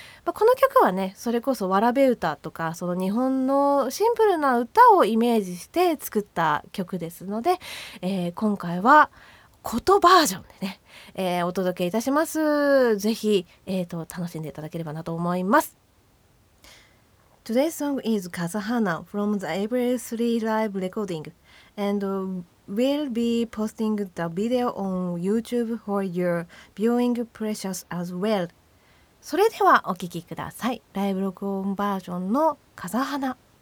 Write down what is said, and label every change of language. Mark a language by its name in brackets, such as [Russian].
[Japanese] まあ、この曲はねそれこそわらべ歌とかその日本のシンプルな歌をイメージして作った曲ですので、今回は琴バージョンでね、お届けいたします。ぜひ、楽しんでいただければなと思います。 [English] Today's song is Kazahana from the April 3 live recording and we'll be posting the video on YouTube for your viewing pleasure as well. [Japanese] それではお聞きください。ライブ録音バージョンの Kazahana。